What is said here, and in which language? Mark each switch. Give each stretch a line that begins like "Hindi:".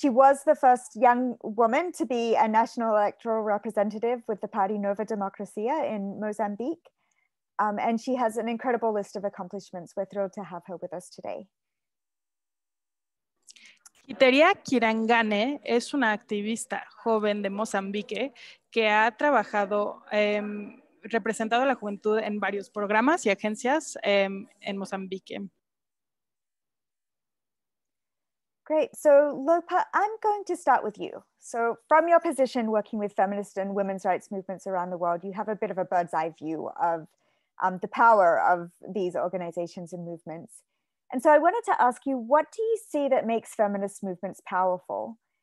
English: She was the first young woman to be a national electoral representative with the party Nova Democracia in Mozambique. And she has an incredible list of accomplishments. We're thrilled to have her with us today.
Spanish: Quiteria Guirengane es una activista joven de Mozambique que ha trabajado, representado a la juventud en varios programas y agencias en Mozambique.
English: Great. So Lopa, I'm going to start with you. So from your position working with feminist and women's rights movements around the world, you have a bit of a bird's eye view of the power of these organizations and movements. And so I wanted to ask you, what do you see that makes feminist movements powerful?